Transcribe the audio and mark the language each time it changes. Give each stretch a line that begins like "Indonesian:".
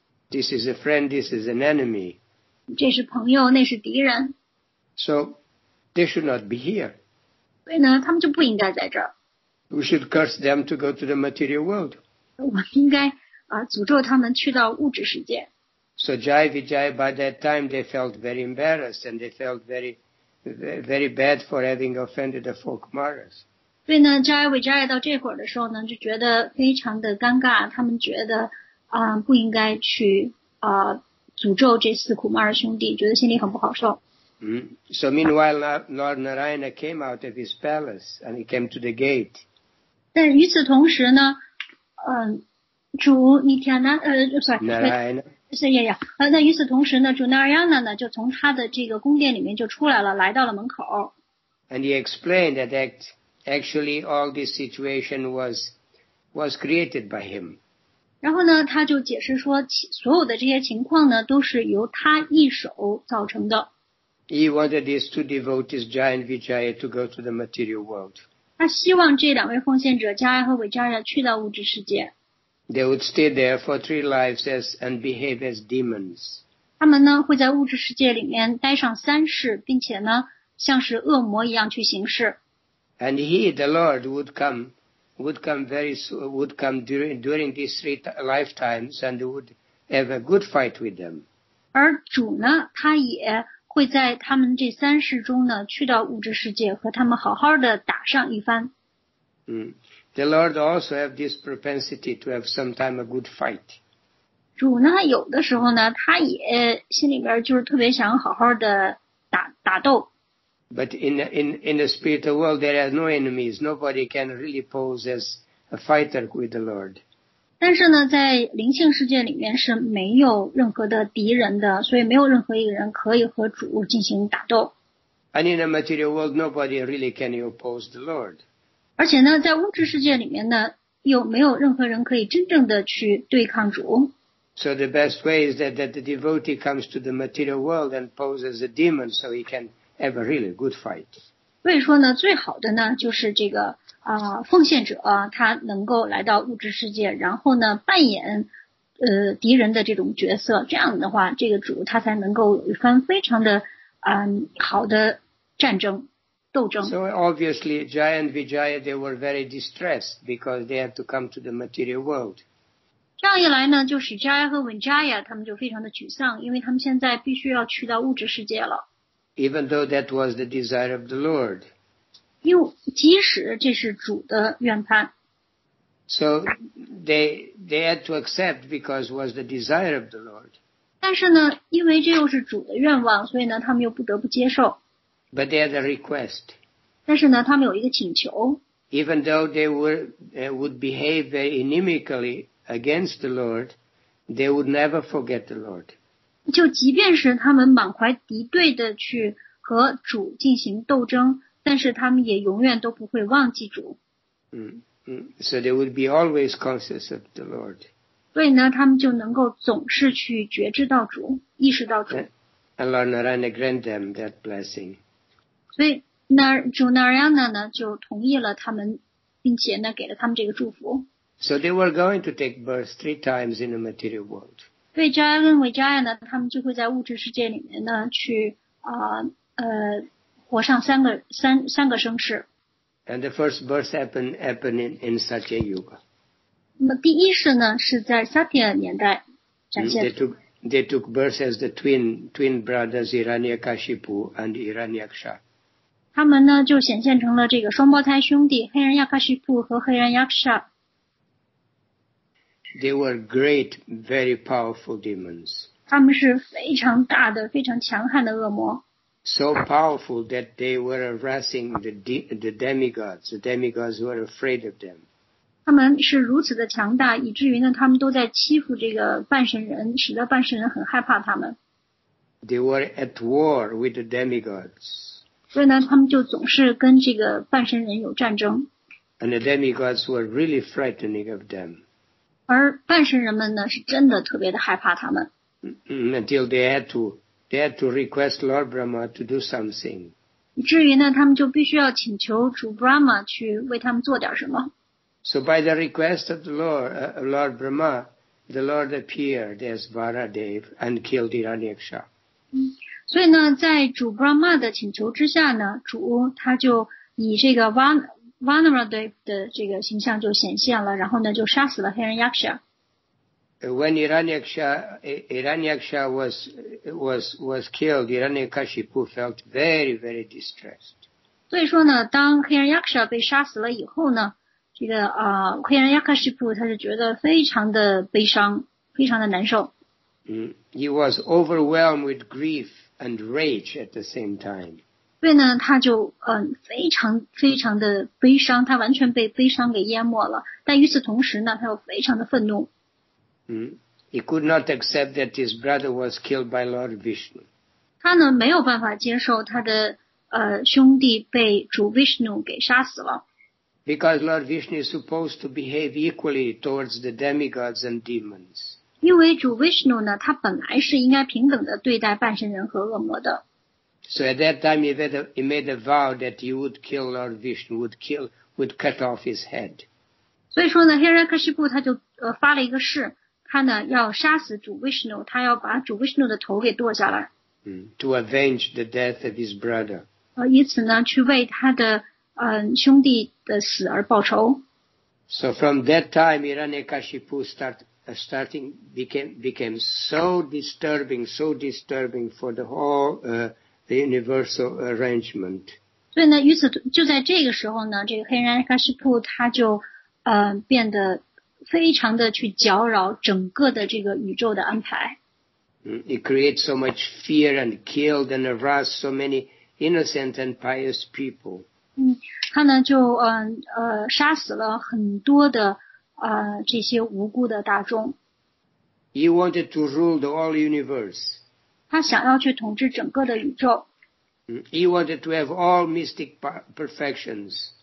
English: This is a friend, this is an enemy.
Chinese: 这是朋友，那是敌人。
English: So they should not be here.
Chinese: 所以呢，他们就不应该在这儿。
English: We should curse them to go to the material world.
Chinese: 我们应该诅咒他们去到物质世界。
English: So Jaya Vijaya, by that time, they felt very embarrassed and they felt very, very bad for having offended the four Kumaras.
Chinese: 所以呢 ，Jaya Vijaya 到这会儿的时候呢，就觉得非常的尴尬。他们觉得不应该去诅咒这四 Kumara 兄弟，觉得心里很不好受。
English: So meanwhile, Lord Narayana came out of his palace and he came to the gate.
Chinese: 但与此同时呢，主尼提亚纳 Narayana. 那与此同时呢，主 Narayana 呢就从他的这个宫殿里面就出来了，来到了门口。
English: And he explained that actually all this situation was created by him.
Chinese: 然后呢，他就解释说，所有的这些情况呢，都是由他一手造成的。
English: He wanted these two devotees, Jaya and Vijaya, to go to the material world.
Chinese: 他希望这两位奉献者 Jaya 和 Vijaya 去到物质世界。
English: They would stay there for three lives and behave as demons.
Chinese: 他们呢会在物质世界里面待上三世，并且呢像是恶魔一样去行事。
English: And he, the Lord, would come, would come during these three lifetimes and would have a good fight with them.
Chinese: 而主呢，他也会在他们这三世中呢，去到物质世界和他们好好的打上一番。
English: The Lord also have this propensity to have sometime a good fight.
Chinese: 主呢，有的时候呢，他也心里边就是特别想好好的打斗。
English: But in the spiritual world, there are no enemies. Nobody can really pose as a fighter with the Lord.
Chinese: 但是呢，在灵性世界里面是没有任何的敌人的，所以没有任何一个人可以和主进行打斗。
English: And in the material world, nobody really can oppose the Lord.
Chinese: 而且呢，在物质世界里面呢，又没有任何人可以真正的去对抗主。
English: So the best way is that the devotee comes to the material world and poses a demon so he can have a really good fight.
Chinese: 所以说呢，最好的呢，就是这个奉献者他能够来到物质世界，然后呢，扮演敌人的这种角色，这样的话，这个主他才能够有一番非常的好的战争斗争。
English: So obviously, Jaya and Vijaya, they were very distressed because they had to come to the material world.
Chinese: 这样一来呢，就是 Jaya 和 Vijaya 他们就非常的沮丧，因为他们现在必须要去到物质世界了。
English: Even though that was the desire of the Lord.
Chinese: 因为即使这是主的愿盼。
English: So they had to accept because it was the desire of the Lord.
Chinese: 但是呢，因为这又是主的愿望，所以呢，他们又不得不接受。
English: But they had a request.
Chinese: 但是呢，他们有一个请求。
English: Even though they would behave very inimically against the Lord, they would never forget the Lord.
Chinese: 就即便是他们满怀敌对的去和主进行斗争，但是他们也永远都不会忘记主。
English: So they would be always conscious of the Lord.
Chinese: 所以呢，他们就能够总是去觉知到主，意识到主。
English: And Lord Narayana grant them that blessing.
Chinese: 所以那主 Narayana 呢就同意了他们，并且呢给了他们这个祝福。
English: So they were going to take birth three times in the material world.
Chinese: 所以扎亚跟维扎亚呢，他们就会在物质世界里面呢，去活上三个生世。
English: And the first birth happened in Satya Yuga.
Chinese: 那么第一世呢，是在 Satya 年代展现。
English: They took birth as the twin brothers Hiranyakashipu and Hiranyaksha.
Chinese: 他们呢就显现成了这个双胞胎兄弟黑人亚卡西普和黑人亚克沙。
English: They were great, very powerful demons.
Chinese: 他们是非常大的、非常强悍的恶魔。
English: So powerful that they were harassing the demigods. The demigods were afraid of them.
Chinese: 他们是如此的强大，以至于呢，他们都在欺负这个半神人，使得半神人很害怕他们。
English: They were at war with the demigods.
Chinese: 所以呢，他们就总是跟这个半神人有战争。
English: And the demigods were really frightening of them.
Chinese: 而半神人们呢，是真的特别的害怕他们。
English: Until they had to request Lord Brahma to do something.
Chinese: 以至于呢，他们就必须要请求主 Brahma 去为他们做点什么。
English: So by the request of the Lord Brahma, the Lord appeared as Varadev and killed Hiranyaksha.
Chinese: 所以呢，在主 Brahma 的请求之下呢，主他就以这个 Vanaradev 的这个形象就显现了，然后呢就杀死了黑人 Yaksha。
English: When Hiranyaksha was killed, Hiranyakashipu felt very, very distressed.
Chinese: 所以说呢，当黑人 Yaksha 被杀死了以后呢，这个黑人 Yakashipu 他是觉得非常的悲伤，非常的难受。
English: He was overwhelmed with grief and rage at the same time.
Chinese: 所以呢，他就非常非常的悲伤，他完全被悲伤给淹没了。但与此同时呢，他又非常的愤怒。
English: He could not accept that his brother was killed by Lord Vishnu.
Chinese: 他呢没有办法接受他的兄弟被主 Vishnu 给杀死了。
English: Because Lord Vishnu is supposed to behave equally towards the demigods and demons.
Chinese: 因为主 Vishnu 呢，他本来是应该平等的对待半神人和恶魔的。
English: So at that time he made a vow that he would kill Lord Vishnu, would cut off his head.
Chinese: 所以说呢，Hiranyakashipu他就发了一个誓，他呢要杀死主 Vishnu, 他要把主 Vishnu 的头给剁下来。
English: To avenge the death of his brother.
Chinese: 以此呢去为他的兄弟的死而报仇。
English: So from that time, Hiranyakashipu became so disturbing for the whole the universal arrangement.
Chinese: 所以呢，于此就在这个时候呢，这个 Hiranyakashipu 他就变得非常的去搅扰整个的这个宇宙的安排。
English: It creates so much fear and killed and aroused so many innocent and pious people.
Chinese: 他呢就杀死了很多的这些无辜的大众。
English: He wanted to rule the whole universe.
Chinese: 他想要去统治整个的宇宙。
English: He wanted to have all mystic perfections.